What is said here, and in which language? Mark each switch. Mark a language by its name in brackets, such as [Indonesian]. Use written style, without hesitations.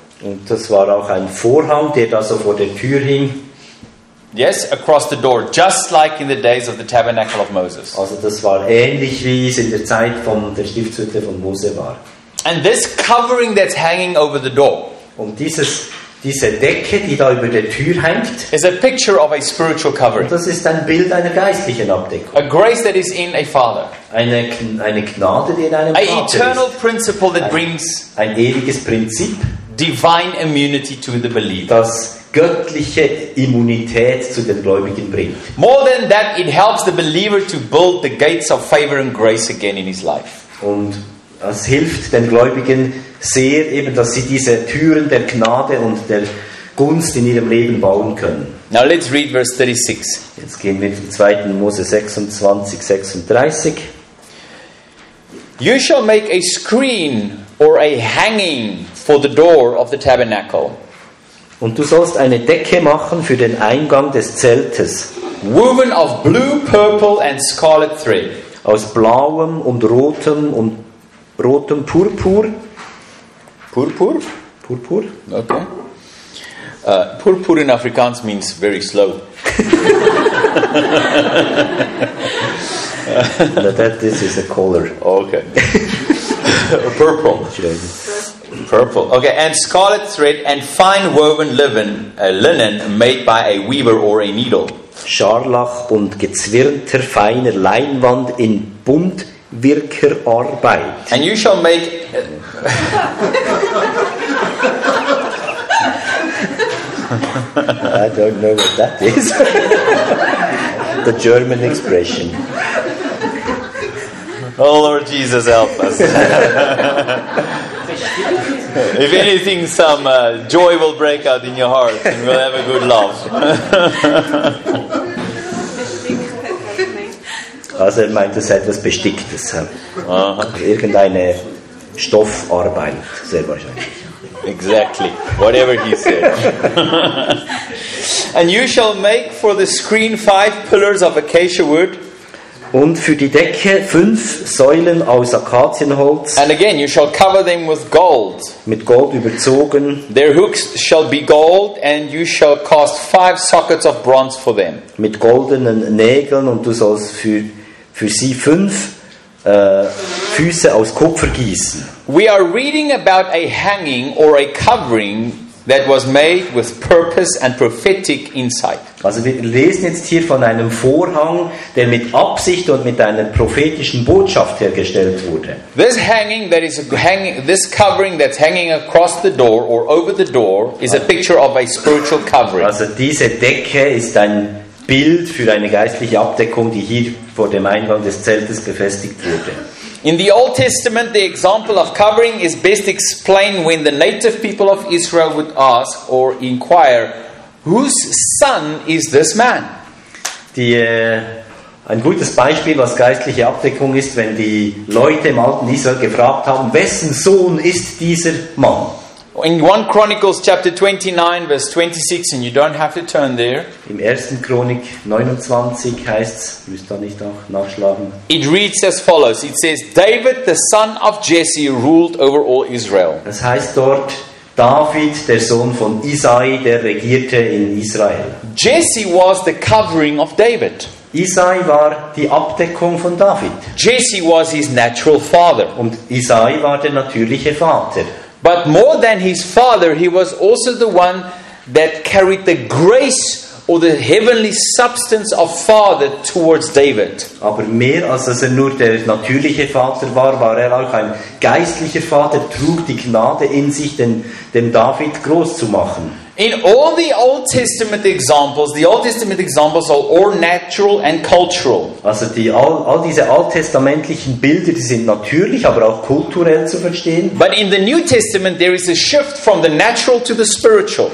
[German] Und das war auch ein Vorhang, der da so vor der Tür hing. [English] Yes, across the door, just like in the days of the tabernacle of Moses. [German] Also das war ähnlich wie es in der Zeit von der Stiftshütte von Mose war. [English] And this covering that's hanging over the door. [German] Und diese Decke, die da über der Tür hängt, [English] is a picture of a spiritual covering. [German] Das ist ein Bild einer geistlichen Abdeckung. [English] A grace that is in a father. [German] Eine Gnade, die in einem [English] a [German] Vater [English] eternal [German] ist. [English] Principle that brings [German] ein ewiges Prinzip. [English] Divine immunity to the believer. [German] Das göttliche Immunität zu den Gläubigen bringt. [English] More than that, it helps the believer to build the gates of favor and grace again in his life. [German] Und es hilft den Gläubigen sehr, eben, dass sie diese Türen der Gnade und der Gunst in ihrem Leben bauen können. [English] Now let's read verse 36. [German] Jetzt gehen wir zum 2. Mose 26, 36. [English] You shall make a screen or a hanging for the door of the tabernacle. [German] Und du sollst eine Decke machen für den Eingang des Zeltes. [English] Woven of blue, purple and scarlet thread. [German] Aus blauem und rotem Purpur. Purpur? Purpur. [English] Okay. Purpur in Afrikaans means very slow. This is a color. Okay. Purple. Purple. Okay, and scarlet thread and fine woven linen made by a weaver or a needle. [German] Scharlach und gezwirnter feiner Leinwand in Buntwirkerarbeit. [English] And you shall make. I don't know what that is. The German expression. Oh Lord Jesus, help us. If anything, some joy will break out in your heart and we'll have a good laugh. [German] Also er meint, es ist etwas Besticktes. Irgendeine Stoffarbeit, sehr wahrscheinlich. [English] Exactly, whatever he said. And you shall make for the screen 5 pillars of acacia wood. [German] Und für die Decke 5 Säulen aus Akazienholz. [English] And again, you shall cover them with gold. [German] Mit Gold überzogen. [English] Their hooks shall be gold, and you shall cast 5 sockets of bronze for them. [German] Mit goldenen Nägeln, und du sollst für sie 5 Füße aus Kupfer gießen. [English] We are reading about a hanging or a covering that was made with purpose and prophetic insight. [German] Also wir lesen jetzt hier von einem Vorhang, der mit Absicht und mit einer prophetischen Botschaft hergestellt wurde. [English] This hanging that is hanging, this covering that's hanging across the door or over the door is a picture of a spiritual covering. [German] Also diese Decke ist ein Bild für eine geistliche Abdeckung, die hier vor dem Eingang des Zeltes befestigt wurde. [English] In the Old Testament, the example of covering is best explained when the native people of Israel would ask or inquire, "Whose son is this man?" [German] Ein gutes Beispiel, was geistliche Abdeckung ist, wenn die Leute im alten Israel gefragt haben, wessen Sohn ist dieser Mann? [English] In 1 Chronicles chapter 29, verse 26, and you don't have to turn there. [German] Im 1. Chronik 29 heißt's, müsst da nicht auch nachschlagen. [English] It reads as follows. It says, David, the son of Jesse, ruled over all Israel. [German] Das heißt dort, David, der Sohn von Isai, der regierte in Israel. [English] Jesse was the covering of David. [German] Isai war die Abdeckung von David. [English] Jesse was his natural father. [German] Und Isai war der natürliche Vater. [English] But more than his father, he was also the one that carried the grace or the heavenly substance of father towards David. [German] Aber mehr als dass er nur der natürliche Vater war, war er auch ein geistlicher Vater, trug die Gnade in sich, dem David groß zu machen. [English] In all the Old Testament examples are all natural and cultural. [German] Also all diese alttestamentlichen Bilder, die sind natürlich, aber auch kulturell zu verstehen. [English] But in the New Testament there is a shift from the natural to the spiritual.